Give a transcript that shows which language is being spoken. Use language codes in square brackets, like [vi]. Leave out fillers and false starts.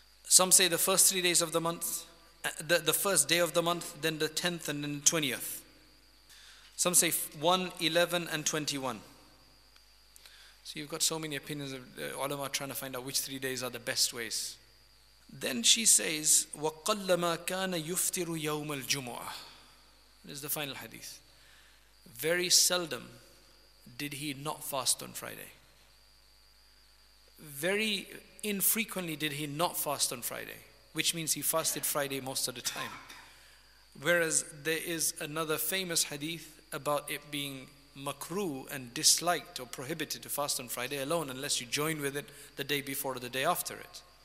[en] Some say the first 3 days of the month, the first day of the month, then the 10th and then the 20th. Some say 1, 11 and 21. So you've got so many opinions of ulama trying to find out which 3 days are the best ways. Then she says, [ar] وَقَلَّمَا كَانَ يُفْتِرُ يَوْمَ الْجُمُعَةِ. [en] This is the final hadith. Very seldom did he not fast on Friday. Very infrequently did he not fast on Friday, which means he fasted Friday most of the time. Whereas there is another famous hadith about it being makruh and disliked or prohibited to fast on Friday alone unless you join with it the day before or the day after it.